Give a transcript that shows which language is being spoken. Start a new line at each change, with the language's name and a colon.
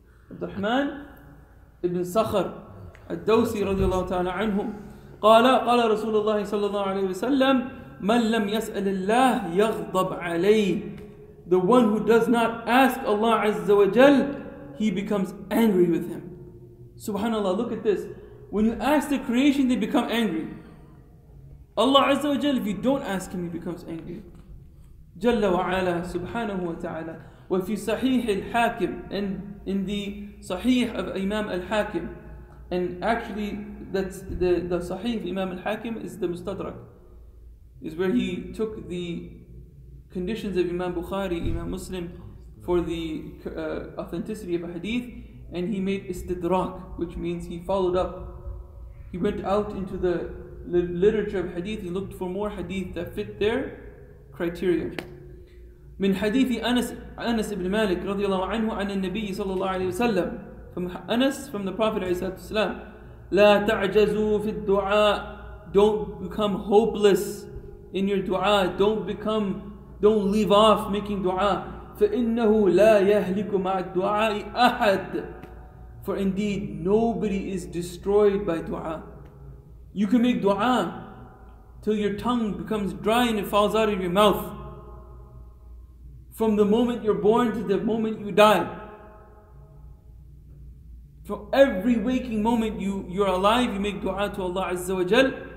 Arabic: Abdul Rahman ibn Sakhr الدوسي رضي الله تعالى عنهم. قال رسول الله صلى الله عليه وسلم من لم يسأل الله يغضب عليه.
English: The one who does not ask Allah Azza wa Jal, he becomes angry with him. Subhanallah, look at this. When you ask the creation, they become angry. Allah Azza wa Jal, if you don't ask him, he becomes angry.
Arabic: جل وعلا سبحانه وتعالى. وفي صحيح الحاكم,
English: and in the صحيح of Imam Al-Hakim And actually, that's the Sahih Imam al-Hakim is the Mustadrak, is where he took the conditions of Imam Bukhari, Imam Muslim, for the authenticity of a hadith, and he made istidrak, which means he followed up. He went out into the literature of hadith, he looked for more hadith that fit their criteria.
Arabic: من حديث أنس بن مالك رضي الله عنه عن النبي صلى الله عليه وسلم
English: from Anas, from the Prophet
Arabic: عليه الصلاة والسلام لا تعجزوا في الدعاء.
English: Don't become hopeless in your dua. Don't leave off making dua.
Arabic: فإنه لا يهلك مع الدعاء أحد.
English: For indeed, nobody is destroyed by dua. You can make dua till your tongue becomes dry and it falls out of your mouth. From the moment you're born to the moment you die. For every waking moment you're alive, you make dua to Allah Azza wa Jal.